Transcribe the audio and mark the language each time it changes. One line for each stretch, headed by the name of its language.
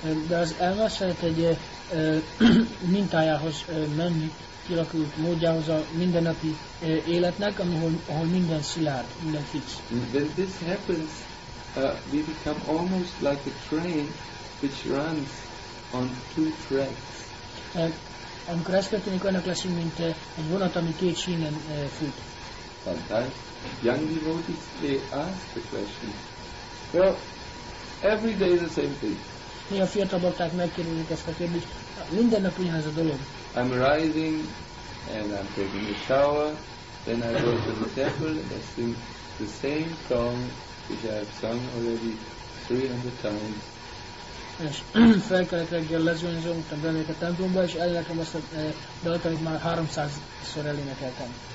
Hungarian: De az elme szeret egy mintájához menni, kialakult módjához a mindennapi életnek, ahol minden szilárd, minden fix.
English: When this happens, we become almost like a train which runs on two tracks.
Hungarian: Amikor ez történik, olyanok leszünk, mint egy vonat, ami két sínen fut.
English: Sometimes young devotees, they ask the question. Well, every day the same thing.
Hungarian: Mi a fiatal bakták megkérdezik ezt a kérdést. Minden nap ugyanaz a dolog.
English: I'm rising, and I'm taking a shower, then I go to the temple, and I sing the same song, which I have sung already 300 times.
Hungarian: És felkelek reggel, lezuhanyozom, utána bemegyek a templomba, és elénekelem azt a dalt, amit már 300-szor elénekeltem.